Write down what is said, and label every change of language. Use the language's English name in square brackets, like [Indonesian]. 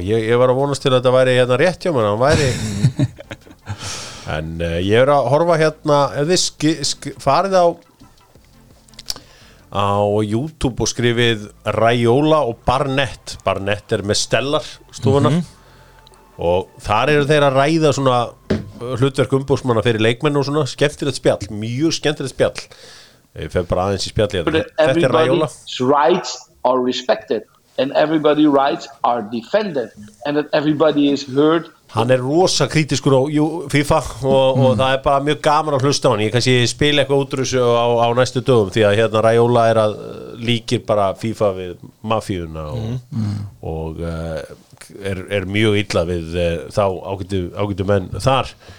[Icelandic] Ég var að vonast til að þetta væri hérna rétt hjá mér, hann væri En ég er að horfa hérna ef þið farið á YouTube og skrifið Raiola og Barnett Barnett er með Stellar stofuna og þar eru þeir að ræða svona hlutverk umbúsmanna fyrir leikmenn og svona skemmtilegt spjall mjög skemmtilegt spjall ég fer bara aðeins í spjall hérna. Þetta er Raiola [English] rights are respected and everybody's rights are defended and that everybody is heard [Icelandic] Hann er rosa kritiskur á FIFA og það er bara mjög gaman að hlusta á hann. Ég kannski spila eitthvað útrúsi á næstu dögum því að hérna Raiola er að líkir bara FIFA við mafíuna og er mjög illa við þá ágætu menn þar.